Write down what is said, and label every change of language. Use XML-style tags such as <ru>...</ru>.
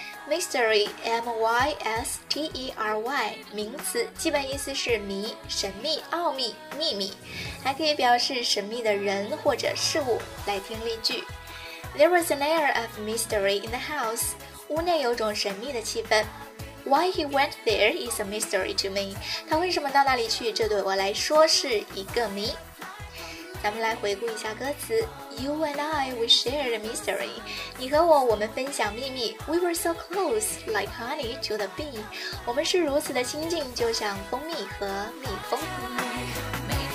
<zh>Mystery, M-Y-S-T-E-R-Y, 名词，基本意思是谜、神秘、奥秘、秘密，还可以表示神秘的人或者事物。来听例句。</zh> <en>There was an air of mystery in the house.</en> <zh>屋内有种神秘的气氛。</zh> <en>Why he went there is a mystery to me.</en> <zh>他为什么到那里去，这对我来说是一个谜。咱们来回顾一下歌词。</zh> <en>You and I, we shared a mystery.</en> <zh>你和我，我们分享秘密。</zh> <en>We were so close, like honey to the bee.</en> <zh>我们是如此的亲近，就像蜂蜜和蜜蜂。</zh>